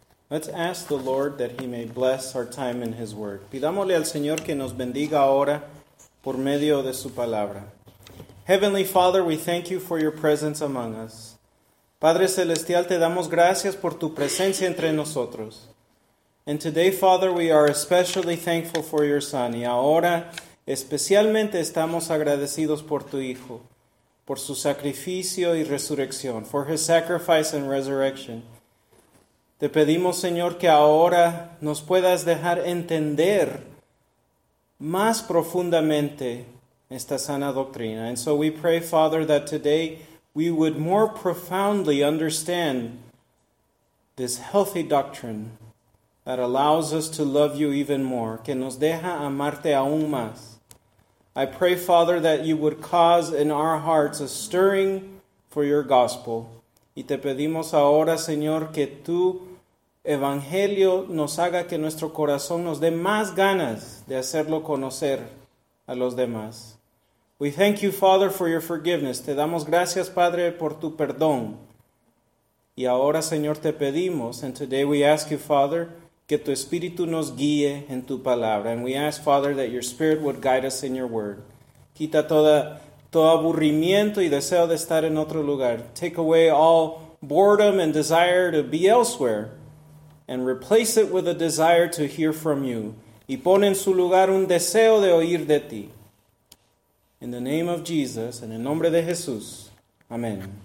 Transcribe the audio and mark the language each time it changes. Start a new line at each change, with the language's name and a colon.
English: Let's ask the Lord that he may bless our time in his word.
Spanish: Pidámosle al Señor que nos bendiga ahora por medio de su palabra.
English: Heavenly Father, we thank you for your presence among us.
Spanish: Padre Celestial, te damos gracias por tu presencia entre nosotros.
English: And today, Father, we are especially thankful for your Son.
Spanish: Y ahora, especialmente estamos agradecidos por tu Hijo, por su sacrificio y resurrección,
English: for his sacrifice and resurrection.
Spanish: Te pedimos, Señor, que ahora nos puedas dejar entender más profundamente esta sana doctrina.
English: And so we pray, Father, that today we would more profoundly understand this healthy doctrine that allows us to love you even more,
Spanish: que nos deja amarte aún más.
English: I pray, Father, that you would cause in our hearts a stirring for your gospel.
Spanish: Y te pedimos ahora, Señor, que tu evangelio nos haga que nuestro corazón nos dé más ganas de hacerlo conocer a los demás.
English: We thank you, Father, for your forgiveness.
Spanish: Te damos gracias, Padre, por tu perdón. Y ahora, Señor, te pedimos,
English: and today we ask you, Father,
Spanish: que tu espíritu nos guíe en tu palabra.
English: And we ask, Father, that your spirit would guide us in your word.
Spanish: Quita todo aburrimiento y deseo de estar en otro lugar.
English: Take away all boredom and desire to be elsewhere. And replace it with a desire to hear from you.
Spanish: Y pon en su lugar un deseo de oír de ti.
English: In the name of Jesus, and
Spanish: en nombre de Jesús, amén.